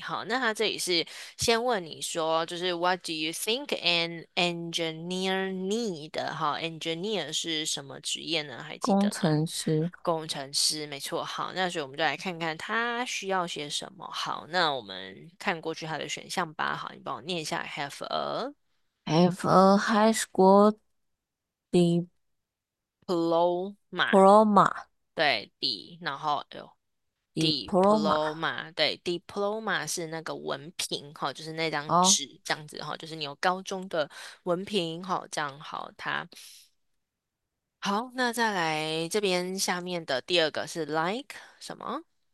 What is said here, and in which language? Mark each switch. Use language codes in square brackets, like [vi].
[zh] 好，那他这里是先问你说，就是 [en] What do you think an engineer need？ [zh] 好，engineer 是什么职业呢？还记工得吗？程师。工程师，没错。好，那所以我们就来看看他需要些什么。好，那我们看过去他的选项吧。好，你帮我念一下， [en] Have a Have a high school diploma. [zh] diploma。 对，D，然后 [en] Diploma. [zh] L，diploma，对，diploma 是那个文凭，哈，就是那张哦。纸，这样子，哈，就是你有高中的文凭，哈，这样好，它好，那再来这边下面的第二个是 like 什么？